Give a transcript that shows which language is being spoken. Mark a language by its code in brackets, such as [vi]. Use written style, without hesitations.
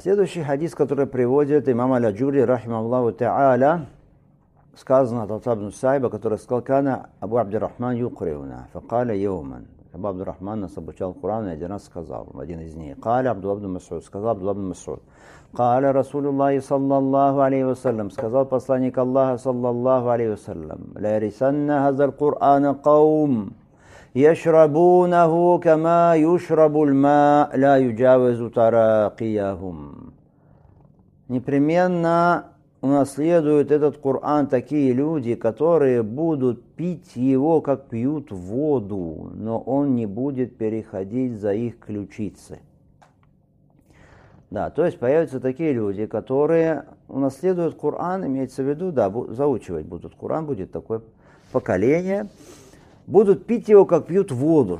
[ru] Следующий хадис, который приводит имам Аль-Аджури, рахималлаху та'аля, сказано от отца ибн Сайба, который сказал, [ar] «Кана Абу Абдур-Рахман юкривна, факаля йоуман». [ru] Абу Абдур-Рахман нас обучал Курану и один раз сказал, один из них, [ar] «Каля Абдулла ибн Масуд», [ru] сказал Абдулла ибн Масуд. [ar] قال رسول الله صلى الله عليه وسلم [ru] сказал посланник Аллаха [ar] صلى الله عليه وسلم لا يرثن هذا القرآن قوم يشربونه كما يشرب الماء لا يجاوز تراقيهم. [ru] Непременно унаследуют этот Коран такие люди, которые будут пить его, как пьют воду, но он не будет переходить за их ключицы. Да, то есть появятся такие люди, которые унаследуют Коран, имеется в виду, да, заучивать будут Коран, будет такое поколение, будут пить его, как пьют воду.